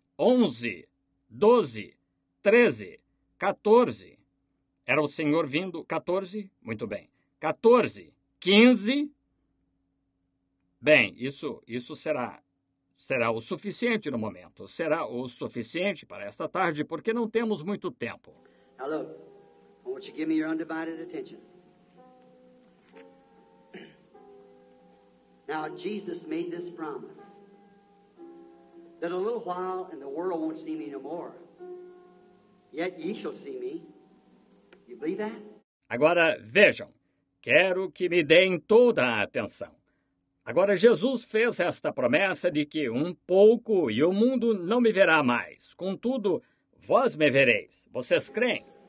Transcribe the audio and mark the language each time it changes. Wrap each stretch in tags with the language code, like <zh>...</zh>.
<pt>11, 12, 13, 14. Era o senhor vindo? 14? Muito bem. 14, 15. Bem, isso será o suficiente no momento. Será o suficiente para esta tarde, porque não temos muito tempo.</pt> <en>Now look, won't you give me your undivided attention? Now Jesus made this promise that a little while and the world won't see me no more. Yet ye shall see me. You believe that?</en> <pt>Agora vejam, quero que me deem toda a atenção. Agora Jesus fez esta promessa de que um pouco e o mundo não me verá mais. Contudo, vós me vereis. Vocês creem?</pt>